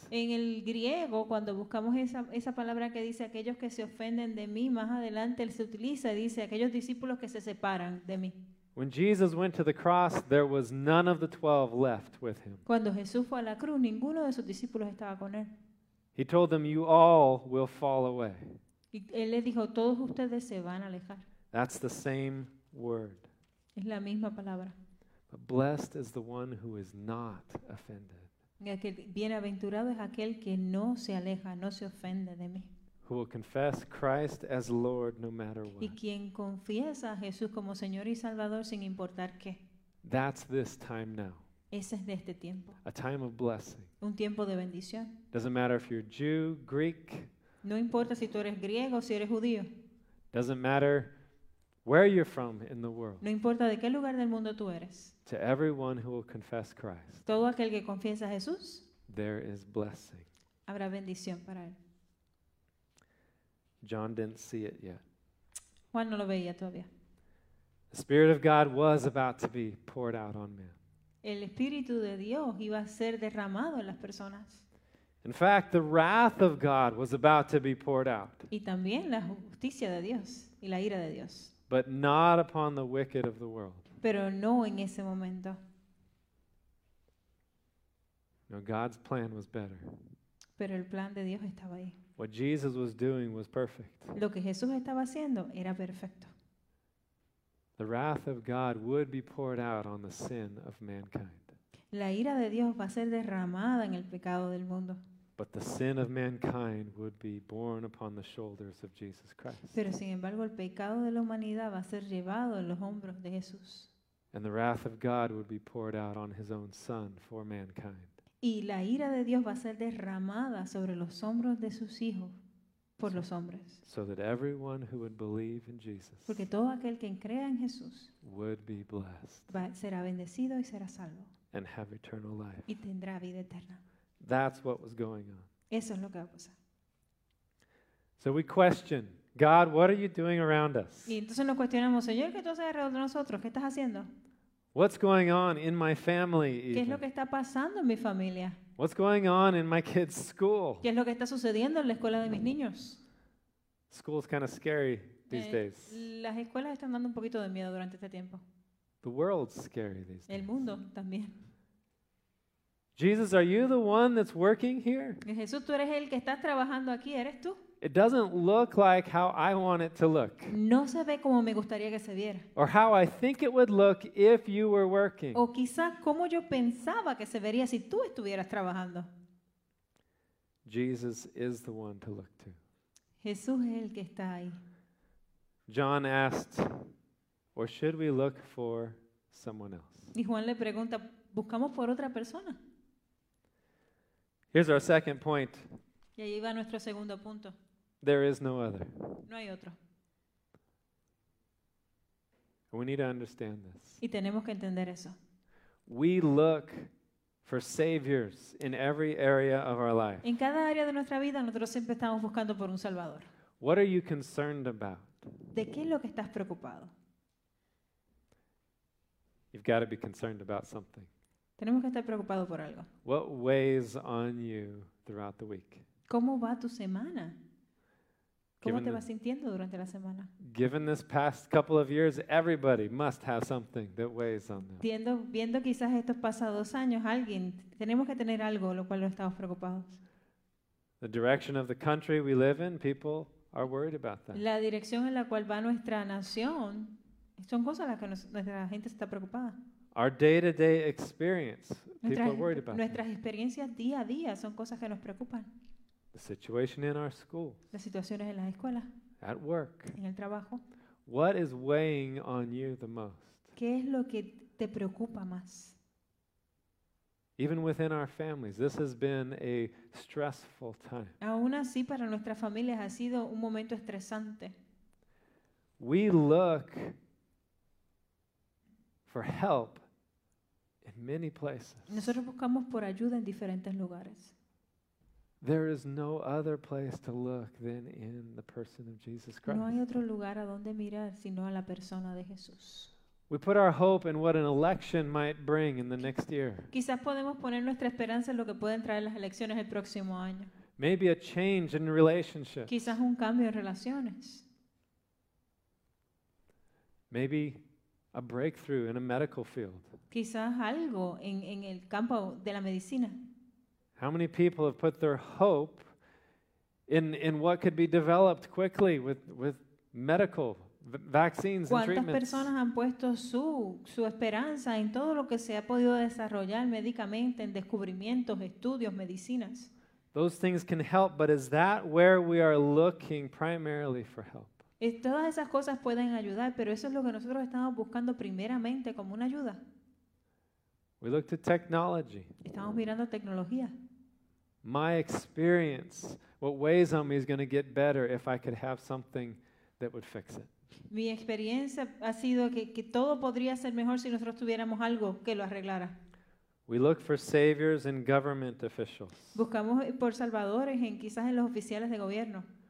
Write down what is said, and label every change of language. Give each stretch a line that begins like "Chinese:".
Spanish: En el griego, cuando buscamos esa palabra que dice aquellos que se ofenden de mí, más adelante él se utiliza y dice aquellos discípulos que se separan de mí.
English: When Jesus went to the cross, there was none of the 12 left with him.
Spanish: Cuando Jesús fue a la cruz, ninguno de sus discípulos estaba con él.
English: He told them, "You all will fall away."
Spanish: Y él les dijo, todos ustedes se van a alejar.
English: That's the same word.
Spanish: Es la misma palabra.
English: But blessed is the one who is not offended.
Spanish: Bienaventurado es aquel que no se aleja, no se ofende de mí.
English: Who will confess Christ as Lord no matter what.
Spanish: Y quien confiesa a Jesús como Señor y Salvador sin importar qué.
English: That's this time now.
Spanish: Ese es de este tiempo.
English: A time of blessing.
Spanish: Un tiempo de bendición.
English: Doesn't matter if you're Jew, Greek.
Spanish: No importa si tú eres griego o si eres judío.
English: Doesn't matter where you're from in the world.
Spanish: No importa de qué lugar del mundo tú eres.
English: To everyone who will confess Christ.
Spanish: Todo aquel que confiesa a Jesús.
English: There is blessing.
Spanish: Habrá bendición para él.
English: John didn't see it yet.
Spanish: Juan no lo veía todavía.
English: The Spirit of God was about to be poured out on men.
Spanish: El Espíritu de Dios iba a ser derramado en las personas.
English: In fact, the wrath of God was about to be poured out.
Spanish: Y también la justicia de Dios y la ira de Dios.
English: But not upon the wicked of the world.
Spanish: Pero no en ese momento.
English: No, God's plan was better.
Spanish: Pero el plan de Dios estaba ahí.
English: What Jesus was doing was perfect.
Spanish: Lo que Jesús estaba haciendo era perfecto.
English: The wrath of God would be poured out on the sin of mankind.
Spanish: La ira de Dios va a ser derramada en el pecado del mundo.
English: But the sin of mankind would be borne upon the shoulders of Jesus Christ.
Spanish: Pero sin embargo, el pecado de la humanidad va a ser llevado en los hombros de Jesús.
English: And the wrath of God would be poured out on his own son for mankind.
Spanish: Y la ira de Dios va a ser derramada sobre los hombros de sus hijos por los hombres.
English: So that everyone who would believe in Jesus.
Spanish: Porque todo aquel que crea en Jesús
English: would be blessed.
Spanish: Será bendecido y será salvo.
English: And have eternal life.
Spanish: Y tendrá vida eterna.
English: That's what was going on.
Spanish: Eso es lo que va a pasar.
English: So we question, God, what are you doing around us?
Spanish: Y entonces nos cuestionamos, Señor, ¿qué tú haces alrededor de nosotros? ¿Qué estás haciendo?
English: What's going on in my family?
Spanish: ¿Qué es lo que está pasando en mi familia?
English: What's going on in my kids' school?
Spanish: ¿Qué es lo que está sucediendo en la escuela de mis niños?
English: School's kind of scary these days.
Spanish: Las escuelas están dando un poquito de miedo durante este tiempo.
English: The world's scary these days.
Spanish: El mundo también.
English: Jesus, are you the one that's working here?
Spanish: Jesús, tú eres el que estás trabajando aquí, ¿eres tú?
English: It doesn't look like how I want it to look.
Spanish: No se ve como me gustaría que se viera.
English: Or how I think it would look if you were working.
Spanish: O quizás como yo pensaba que se vería si tú estuvieras trabajando.
English: Jesus is the one to look to.
Spanish: Jesús es el que está ahí.
English: John asked, or should we look for someone else?
Spanish: Y Juan le pregunta, ¿buscamos por otra persona?
English: Here's our second point.
Spanish: Y ahí va nuestro segundo punto.
English: There is no other.
Spanish: No hay otro.
English: We need to understand this.
Spanish: Y tenemos que entender eso.
English: We look for saviors in every area of our life.
Spanish: En cada área de nuestra vida, nosotros siempre estamos buscando por un salvador.
English: What are you concerned about?
Spanish: ¿De qué es lo que estás preocupado?
English: You've got to be concerned about something.
Spanish: Tenemos que estar preocupados por algo.
English: What weighs on you throughout the week?
Spanish: ¿Cómo va tu semana? ¿Cómo te vas sintiendo durante la semana?
English: Given this past couple of years, everybody must have something that weighs on them.
Spanish: Viendo quizás estos pasados años, alguien, tenemos que tener algo lo cual no estamos preocupados.
English: The direction of the country we live in, people are worried about that.
Spanish: La dirección en la cual va nuestra nación, son cosas las que nuestra gente está preocupada.
English: Our day-to-day experience, people are worried about.
Spanish: Nuestras experiencias día a día son cosas que nos preocupan.
English: The situation in our school.
Spanish: Las situaciones en las escuelas.
English: At work.
Spanish: En el trabajo.
English: What is weighing on you the most?
Spanish: ¿Qué es lo que te preocupa más?
English: Even within our families, this has been a stressful time.
Spanish: Aún así, para nuestras familias ha sido un momento estresante.
English: We look for help in many places.
Spanish: Nosotros buscamos por ayuda en diferentes lugares.
English: There is no other place to look than in the person of Jesus Christ.
Spanish: No hay otro lugar a donde mirar sino a la persona de Jesús.
English: We put our hope in what an election might bring in the next year.
Spanish: Quizás podemos poner nuestra esperanza en lo que pueden traer las elecciones el próximo año.
English: Maybe a change in relationships.
Spanish: Quizás un cambio en relaciones.
English: Maybe a breakthrough in a medical field.
Spanish: Quizás algo en el campo de la medicina.
English: How many people have put their hope in what could be developed quickly with medical vaccines and treatments?
Spanish: ¿Cuántas personas han puesto su esperanza en todo lo que se ha podido desarrollar médicamente, en descubrimientos, estudios, medicinas?
English: Those things can help, but is that where we are looking primarily for help?
Spanish: Y todas esas cosas pueden ayudar, pero eso es lo que nosotros estamos buscando primeramente como una ayuda.
English: We look to technology.
Spanish: Estamos mirando tecnología.
English: My experience, what weighs on me is going to get better if I could have something that would fix it.
Spanish: Mi experiencia ha sido que todo podría ser mejor si nosotros tuviéramos algo que lo arreglara.
English: We look for saviors in government officials.
Spanish: Buscamos por salvadores en quizás en los oficiales de gobierno.